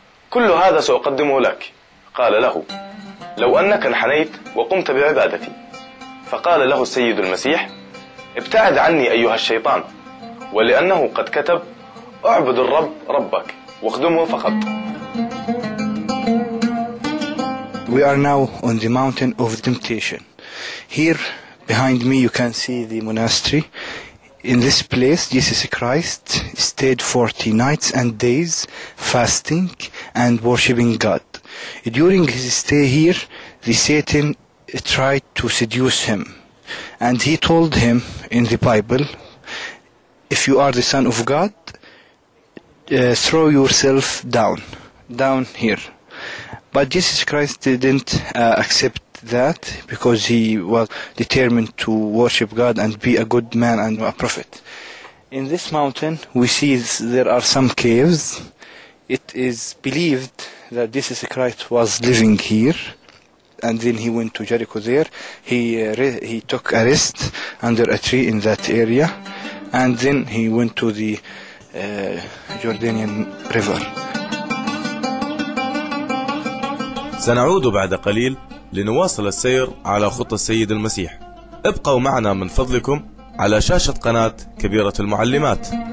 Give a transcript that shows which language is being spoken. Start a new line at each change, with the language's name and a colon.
English: كل هذا سأقدمه لك، قال له، لو أنك انحنيت وقمت بعبادتي. فقال له السيد المسيح: ابتعد عني أيها الشيطان، ولأنه قد كتب: اعبد الرب ربك واخدمه فقط. We are now on the mountain of temptation. Here behind me you can see the monastery. In this place Jesus Christ stayed 40 nights and days fasting and worshiping God. During his stay here, the Satan tried to seduce him, and he told him in the Bible, if you are the Son of God, throw yourself down here. But Jesus Christ didn't accept that, because he was determined to worship God and be a good man and a prophet. In this mountain we see there are some caves. It is believed that Jesus Christ was living here, and then he went to Jericho. There he took a rest under a tree in that area, and then he went to the Jordanian River.
Arabic: سنعود بعد قليل لنواصل السير على خطى السيد المسيح. ابقوا معنا من فضلكم على شاشة قناة كبيرة المعلمات.